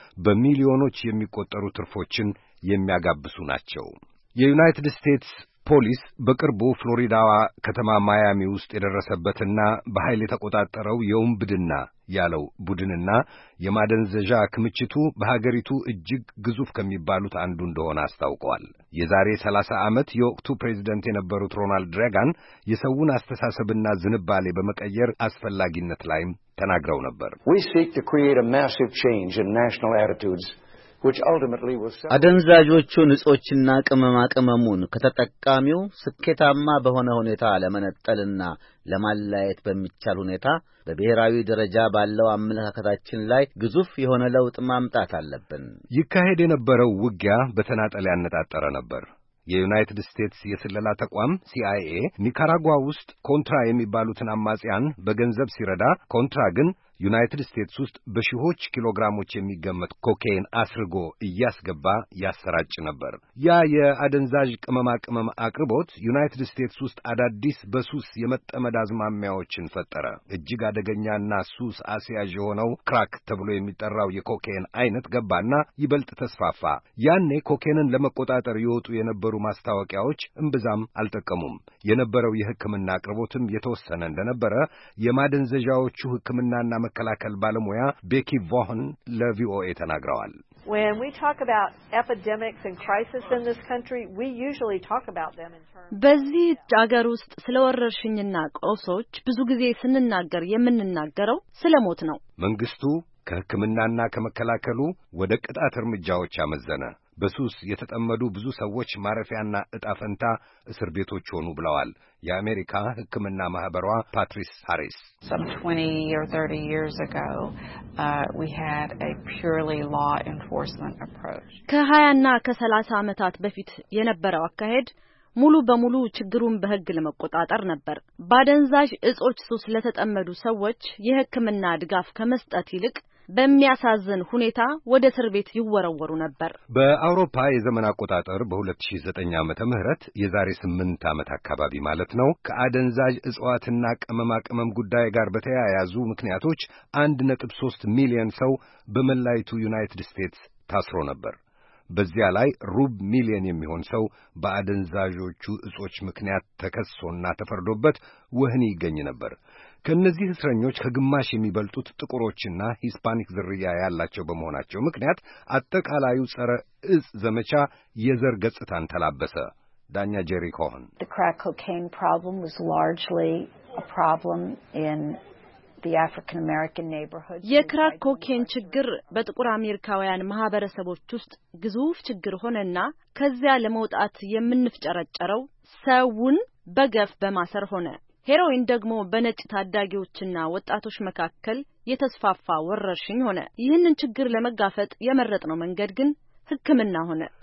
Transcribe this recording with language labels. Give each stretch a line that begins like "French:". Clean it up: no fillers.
Amharic: በሚሊዮኖች የሚቆጠሩ ትርፎችን የሚያጋብሱ ናቸው። የዩናይትድ ስቴትስ ፖሊስ በቅርቡ ፍሎሪዳዋ ከተማ ማያሚ ውስጥ የደረሰበትና በኃይል የተቆጣጠረው የውንብድና ያለው ቡድንና የማደንዘዣ ክምችቱ በሀገሪቱ እጅግ ግዙፍ ከሚባሉት አንዱ እንደሆነ አስታውቋል። የዛሬ 30 ዓመት የወቅቱ ፕሬዝዳንት የነበሩት ሮናልድ ሬጋን የሰውን አስተሳሰብና ዝንባሌ በመቀየር አስፈላጊነት ላይም ተናግረው ነበር።
English: We seek to create a massive change in national attitudes which ultimately was
Amharic: አደንዛዦቹን እጾችና ቅመማ ቅመሙን ከተጠቃሚው ስኬታማ በሆነ ሁኔታ ለመነጠልና ለማላየት በሚቻል ሁኔታ በብሔራዊ ደረጃ ባለው አመለካከታችን ላይ ግዙፍ የሆነ ለውጥ ማምጣት አለብን። ይካሄድ የነበረው ውጊያ በተናጠል ያነጣጠረ ነበር። የዩናይትድ ስቴትስ የስለላ ተቋም CIA ኒካራጓ ውስጥ ኮንትራ የሚባሉትን አማጽያን በገንዘብ ሲረዳ፣ ኮንትራ ግን ዩናይትድ ስቴትስ ውስጥ በሺዎች ኪሎ ግራሞች የሚገመት ኮኬይን አስርጎ እያስገባ ያሰራጭ ነበር። ያ የአደንዛዥ ቅመማ ቅመም አቅርቦት ዩናይትድ ስቴትስ ውስጥ አዳዲስ በሱስ የመጠመድ አዝማሚያዎችን ፈጠረ። እጅግ አደገኛና ሱስ አስያዥ የሆነው ክራክ ተብሎ የሚጠራው የኮኬይን አይነት ገባና ይበልጥ ተስፋፋ። ያኔ ኮኬይንን ለመቆጣጠር የወጡ የነበሩ ማስታወቂያዎች እንብዛም አልጠቀሙም። የነበረው የህክምና አቅርቦትም የተወሰነ እንደነበረ የማደንዘዣዎቹ ህክምና መከላከል ባለሙያ ቤኪ ቮህን ለቪኦኤ ተናግረዋል።
English: When we talk about epidemics and crises in this country, we usually talk about them in terms
Amharic: በዚህ ሀገር ውስጥ ስለወረርሽኝና ቆሶች ብዙ ጊዜ ስንናገር የምንናገረው ስለሞት ነው። መንግስቱ ከህክምናና ከመከላከሉ ወደ ቅጣት እርምጃዎች አመዘነ። በሱስ የተጠመዱ ብዙ ሰዎች ማረፊያና እጣ ፈንታ እስር ቤቶች ሆኑ ብለዋል የአሜሪካ ህክምና ማህበሯ ፓትሪስ ሃሪስ።
English: Some 20 or 30 years ago, we had a purely law enforcement approach.
Amharic: ከ20ና ከ30 አመታት በፊት የነበረው አካሄድ ሙሉ በሙሉ ችግሩን በህግ ለመቆጣጠር ነበር። ባደንዛዥ እጾች ሱስ ለተጠመዱ ሰዎች የህክምና ድጋፍ ከመስጠት ይልቅ በሚያሳዝን ሁኔታ ወደ እስር ቤት ይወረወሩ ነበር። በአውሮፓ የዘመን አቆጣጠር በ2009 ዓመተ ምህረት የዛሬ 8 ዓመት አካባቢ ማለት ነው፣ ከአደንዛዥ እጽዋትና ቅመማ ቅመም ጉዳይ ጋር በተያያዙ ምክንያቶች 1.3 ሚሊዮን ሰው በመላይቱ ዩናይትድ ስቴትስ ታስሮ ነበር። በዚያ ላይ ሩብ ሚሊዮን የሚሆን ሰው በአደንዛዦቹ እጾች ምክንያት ተከሶና ተፈርዶበት ወህኒ ይገኝ ነበር። ከነዚህ እስረኞች ከግማሽ የሚበልጡት ጥቁሮችና ሂስፓኒክ ዝርያ ያላቸው በመሆናቸው ምክንያት አጠቃላዩ ጸረ እጽ ዘመቻ የዘር ገጽታን ተላበሰ። ዳኛ ጄሪ ኮሆን
English: The crack cocaine problem was largely a problem in the African American neighborhoods.
Amharic: የክራክ ኮኬን ችግር በጥቁር አሜሪካውያን ማህበረሰቦች ውስጥ ግዙፍ ችግር ሆነና ከዚያ ለመውጣት የምንፍጨረጨረው ሰውን በገፍ በማሰር ሆነ። ሄሮይን ደግሞ በነጭ ታዳጊዎችና ወጣቶች መካከል የተስፋፋ ወረርሽኝ ሆነ። ይህንን ችግር ለመጋፈጥ የመረጥነው መንገድ ግን ህክምና ሆነ።